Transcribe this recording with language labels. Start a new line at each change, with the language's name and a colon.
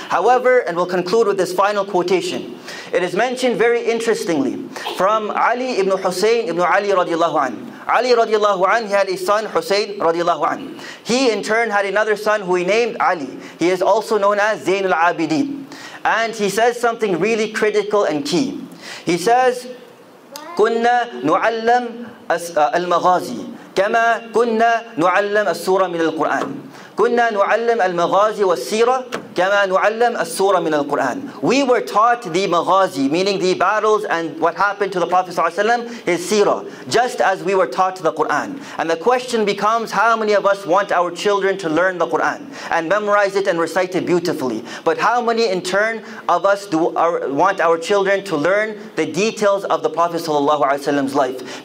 English: However, and we'll conclude with this final quotation, it is mentioned very interestingly from Ali ibn Husayn ibn Ali radiallahu anhu. Ali radiallahu anhu, he had a son, Husayn radiallahu anhu. He in turn had another son who he named Ali. He is also known as Zain al-Abidin. And he says something really critical and key. He says,
Arabic: كنا نعلم المغازي كما كنا نعلم السورة من القرآن. كنا نعلم المغازي والسيرة كما نعلم السورة من القرآن.
English: We were taught the maghazi, meaning the battles and what happened to the Prophet ﷺ, his seerah, just as we were taught the Quran. And the question becomes, how many of us want our children to learn the Quran and memorize it and recite it beautifully? But how many in turn of us want our children to learn the details of the Prophet's life?